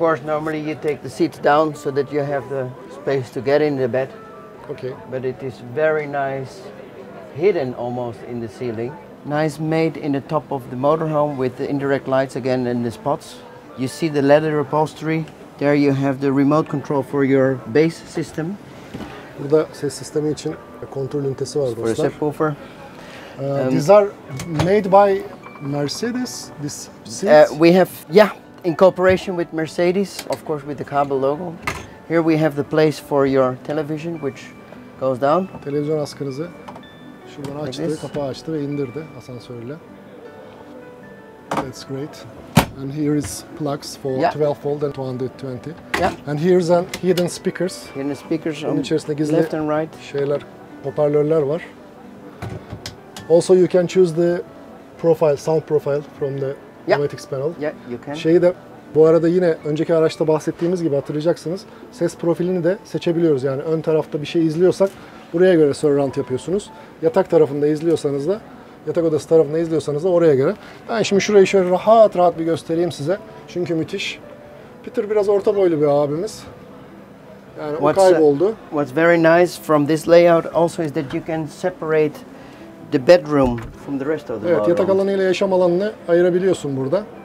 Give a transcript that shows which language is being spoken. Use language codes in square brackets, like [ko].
[en] Of course, normally you take the seats down so that you have the space to get in the bed. Okay. But it is very nice, hidden almost in the ceiling. Nice made in the top of the motorhome with the indirect lights again in the spots. You see the leather upholstery. There you have the remote control for your base system. [tr] Burada ses sistemi için kontrol ünitesi var dostlar. Subwoofer. [en] These are made by Mercedes, this seats? We have, yeah, in cooperation with Mercedes, of course with the KABE logo. Here we have the place for your television, which goes down. [tr] Televizyon askınızı şuradan açtı, like kapağı açtı ve indirdi asansörle. [en] That's great. And here is plugs for 12 volt and 220. Yeah. And here's an hidden speakers. Hidden speakers on [tr] içerisinde gizli [en] left and right. [tr] Şeyler, hoparlörler var. [en] Also you can choose the profile, sound profile from the automatic panel. Yeah, you can. [tr] Şeyi de bu arada yine önceki araçta bahsettiğimiz gibi hatırlayacaksınız. Ses profilini de seçebiliyoruz. Yani ön tarafta bir şey izliyorsak buraya göre surround yapıyorsunuz. Yatak tarafında izliyorsanız da yatak odası tarafında izliyorsanız da oraya göre. Ben şimdi şurayı şöyle rahat rahat bir göstereyim size. Çünkü müthiş. Peter biraz orta boylu bir abimiz. Yani o kayboldu. [en] What's very nice from this layout also is that you can separate the bedroom from the rest of the [tr] Evet, yatak alanı ile yaşam alanını ayırabiliyorsun burada.